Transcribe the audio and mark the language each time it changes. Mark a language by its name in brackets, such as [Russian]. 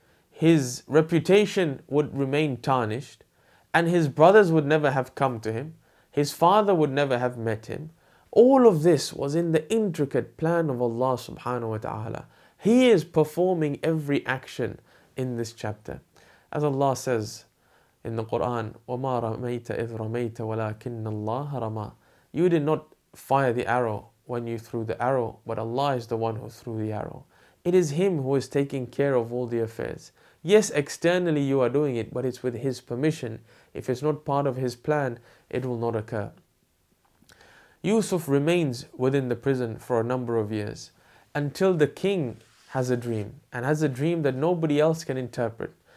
[English] His reputation would remain tarnished, and his brothers would never have come to him. His father would never have met him. All of this was in the intricate plan of Allah subhanahu wa ta'ala. He is performing every action in this chapter. As Allah says in the Quran, [Arabic] وَمَا رَمَيْتَ إِذْ رَمَيْتَ وَلَكِنَّ اللَّهَ رَمَى. [English] You did not fire the arrow when you threw the arrow, but Allah is the one who threw the arrow. It is Him who is taking care of all the affairs. Yes, externally you are doing it, but it's with His permission. If it's not part of His plan, it will not occur. Yusuf remains within the prison for a number of years until the king has a dream, and has a dream that nobody else can interpret.